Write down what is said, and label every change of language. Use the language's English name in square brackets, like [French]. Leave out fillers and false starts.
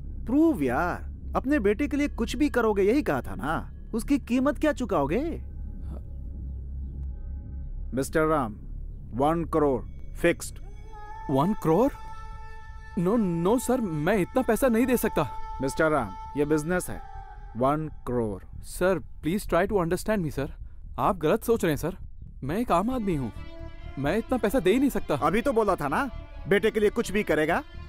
[Hindi] Prove यार, अपने बेटे के लिए कुछ भी करोगे, यही कहा था ना? उसकी कीमत क्या चुकाओगे? [English] Mr. Ram, 1 crore fixed. 1 crore? No, no, sir. [Hindi] मैं इतना पैसा नहीं दे सकता। [English] Mr. [Hindi] Ram, ये business है। [English] 1 crore. Sir, please try to understand me, sir. [Hindi] आप गलत सोच रहे हैं सर। मैं एक आम आदमी हूँ, मैं इतना पैसा दे ही नहीं सकता। अभी तो बोला था ना, बेटे के लिए कुछ भी करेगा।